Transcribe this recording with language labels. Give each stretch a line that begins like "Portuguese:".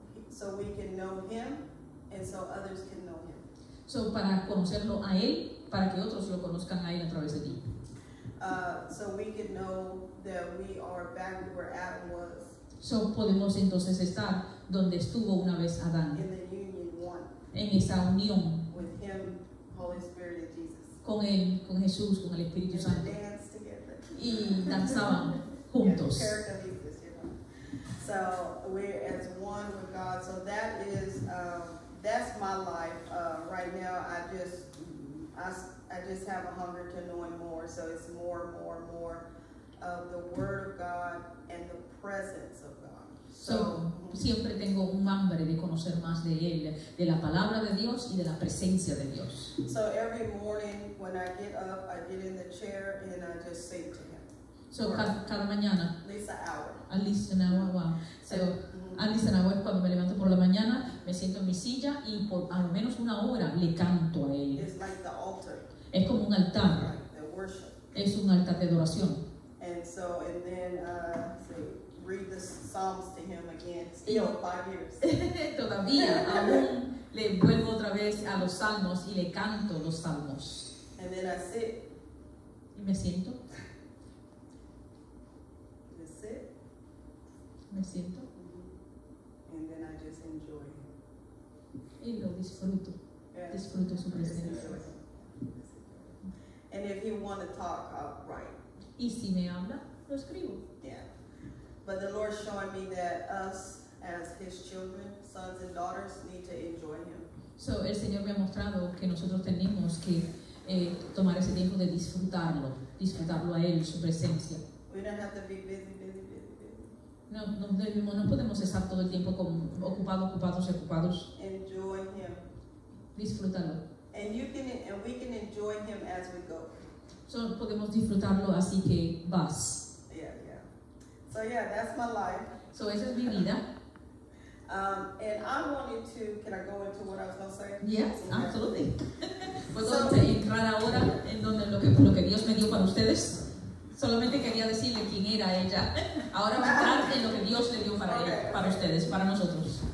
English: So we can know Him, and so others can know Him.
Spanish: So para conocerlo a él, para que otros lo conozcan a él a través de ti.
English: So we can know that we are back where Adam was.
Spanish: So podemos entonces estar donde estuvo una vez Adán.
English: In the union, one.
Spanish: En esa unión.
English: With Him, Holy Spirit, and Jesus.
Spanish: Con él, con Jesús, con el Espíritu
English: and
Spanish: Santo.
English: And dance together.
Spanish: Y danzaban juntos.
English: Yeah, so we're as one with God. So that is that's my life right now. I just have a hunger to know Him more. So it's more and more and more of the Word of God and the presence of God.
Spanish: So siempre tengo un hambre de conocer más de él, de la palabra de Dios y de la presencia de Dios.
English: So every morning when I get up, I get in the chair and I just say to Him.
Spanish: So cada mañana.
English: Lisa hour. At least an hour, wow.
Spanish: So,
English: at least an hour,
Spanish: cuando me levanto por la mañana, me siento en mi silla y por al menos una hora le canto a él.
English: It's like the altar.
Spanish: Es como un altar.
English: Like the worship.
Spanish: Es un altar de adoración.
English: And so, and then, read the Psalms to him again. Still 5 years.
Spanish: Todavía, aún le vuelvo otra vez a los salmos y le canto los salmos.
English: And then I sit.
Spanish: Y me siento. Me siento.
English: And then I just enjoy
Spanish: Him. Y lo disfruto. Yeah. Disfruto su presencia.
English: And if He want to talk, I'll write.
Spanish: Y si me habla, lo escribo.
English: Yeah. But the Lord's showing me that us as His children, sons and daughters, need to enjoy Him.
Spanish: So el Señor me ha mostrado que nosotros tenemos que tomar ese tiempo de disfrutarlo a Él, su presencia.
English: We don't have to be busy.
Spanish: No podemos estar todo el tiempo ocupados.
English: Enjoy Him.
Spanish: Disfrútalo.
English: And we can enjoy Him as we go.
Spanish: So podemos disfrutarlo así que vas.
English: Yeah. So yeah, that's my life.
Spanish: So esa es mi vida.
English: And I wanted to, can I go into what I was going to say? Yes, absolutely.
Spanish: ¿Puedo entrar ahora en donde lo que Dios me dio para ustedes? Solamente quería decirle quién era ella. Ahora va a entrar en lo que Dios le dio para ella, para ustedes, para nosotros.